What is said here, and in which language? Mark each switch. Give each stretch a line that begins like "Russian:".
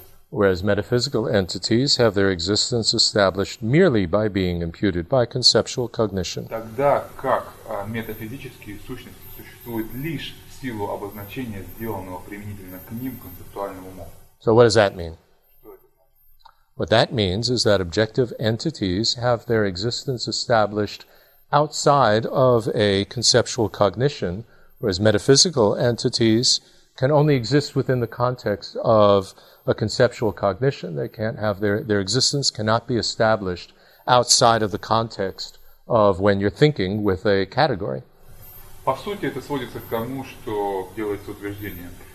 English: Whereas metaphysical entities have their existence established merely by being imputed by conceptual cognition.
Russian: Тогда как метафизические сущности существуют лишь в силу обозначения, сделанного применительно к ним концептуальным умом.
English: So what does that mean? What that means is that objective entities have their existence established outside of a conceptual cognition, whereas metaphysical entities can only exist within the context of a conceptual cognition. They can't have their existence cannot be established outside of the context of when you're thinking with a category.
Russian: По сути, это сводится к тому, что делается утверждение.